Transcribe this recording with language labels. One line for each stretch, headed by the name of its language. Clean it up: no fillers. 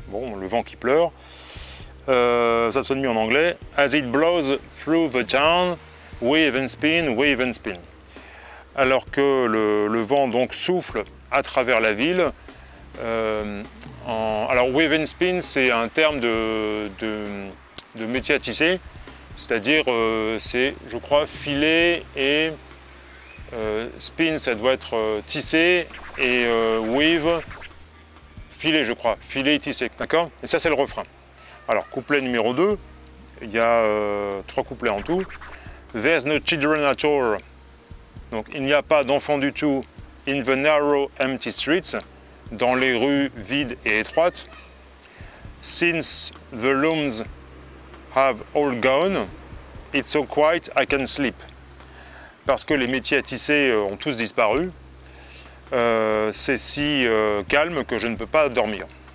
French: Bon, le vent qui pleure. Ça sonne mieux en anglais.
English: As it blows through the town, wave and spin, wave and spin.
French: Alors que le vent donc souffle à travers la ville. Alors wave and spin, c'est un terme de métier à tisser. C'est-à-dire, c'est, je crois, filer et spin, ça doit être tissé, et weave, filer, je crois, filer et tisser, d'accord? Et ça, c'est le refrain. Alors, couplet numéro 2, il y a trois couplets en tout.
English: There's no children at all.
French: Donc, il n'y a pas d'enfants du tout
English: in the narrow, empty streets,
French: dans les rues vides et étroites.
English: Since the looms have all gone, it's so quiet, I can sleep.
French: Parce que les métiers à tisser ont tous disparu. C'est si calme que je ne peux pas dormir.